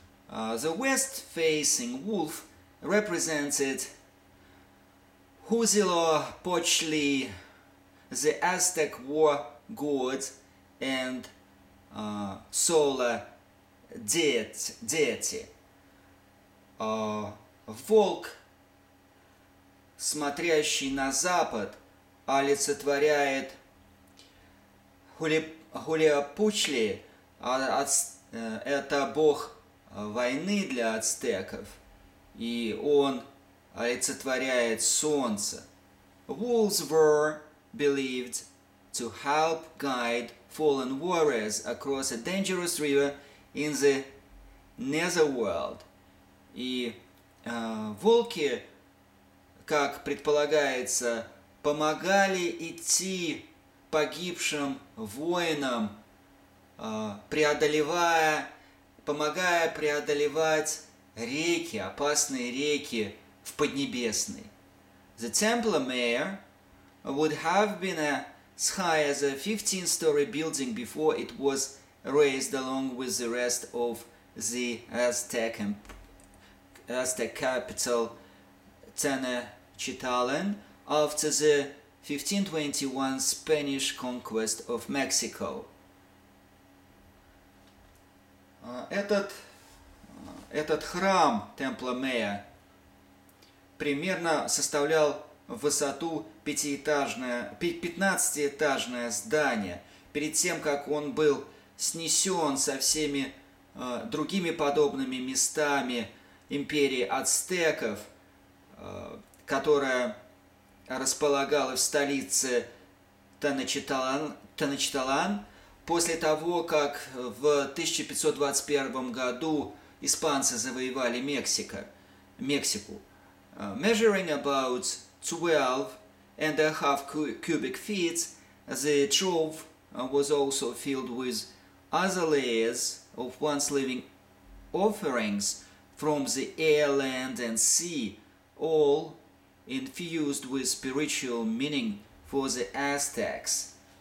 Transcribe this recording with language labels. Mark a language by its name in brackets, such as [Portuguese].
[English] The west-facing wolf represented Huitzilopochtli, the Aztec war god and solar deity. [Russian] Волк, смотрящий на запад, олицетворяет Хулиапучли, это бог войны для ацтеков, и он олицетворяет солнце. [English] Wolves were believed to help guide fallen warriors across a dangerous river in the Netherworld. [Russian] И волки, как предполагается, помогали идти погибшим воинам, помогая преодолевать реки, опасные реки в Поднебесной. [English] The Templar Mayor would have been as high as a 15-story building before it was razed along with the rest of the Aztec capital Tenochtitlan after the 1521 Spanish conquest of Mexico. [Russian] Этот храм Templar Mayor примерно составлял в высоту 15-этажное здание, перед тем, как он был снесен со всеми другими подобными местами империи ацтеков, которая располагала в столице Теночтитлан, после того, как в 1521 году испанцы завоевали Мексику. [English] Measuring about 12.5 cubic feet, the trove was also filled with other layers of once living offerings from the air, land and sea, all infused with spiritual meaning for the Aztecs.